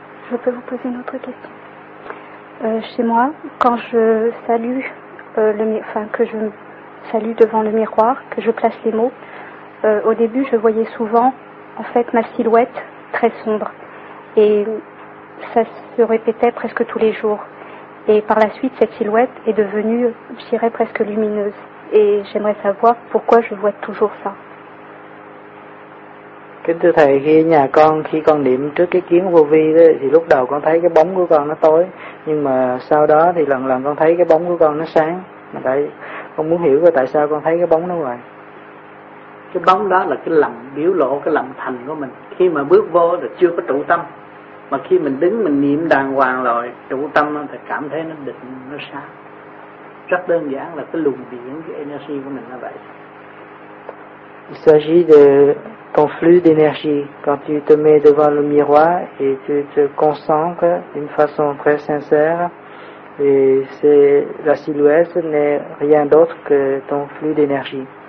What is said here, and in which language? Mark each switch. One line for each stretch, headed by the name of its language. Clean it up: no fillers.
French: Je peux vous poser une autre question. Chez moi, quand je salue, que je salue devant le miroir, que je place les mots, au début, je voyais souvent, en fait, ma silhouette très sombre, et ça se répétait presque tous les jours. Et par la suite, cette silhouette est devenue, je dirais, presque lumineuse. Et j'aimerais savoir pourquoi je vois toujours ça.
Vietnamese: Kính thưa thầy, khi nhà con, khi con niệm trước cái kiến vô vi đó, thì lúc đầu con thấy cái bóng của con nó tối. Nhưng mà sau đó thì lần lần con thấy cái bóng của con nó sáng. Mà tại con muốn hiểu tại sao con thấy cái bóng nó hoài. Cái bóng đó là cái lầm biểu lộ, cái lầm thành của mình. Khi mà bước vô là chưa có trụ tâm. Mà khi mình đứng mình niệm đàng hoàng rồi, trụ tâm thì cảm thấy nó định, nó sáng. Rất đơn giản là cái luồng điện, cái energy của mình là vậy.
French: Il s'agit de ton flux d'énergie. Quand tu te mets devant le miroir et tu te concentres d'une façon très sincère, et c'est la silhouette n'est rien d'autre que ton flux d'énergie.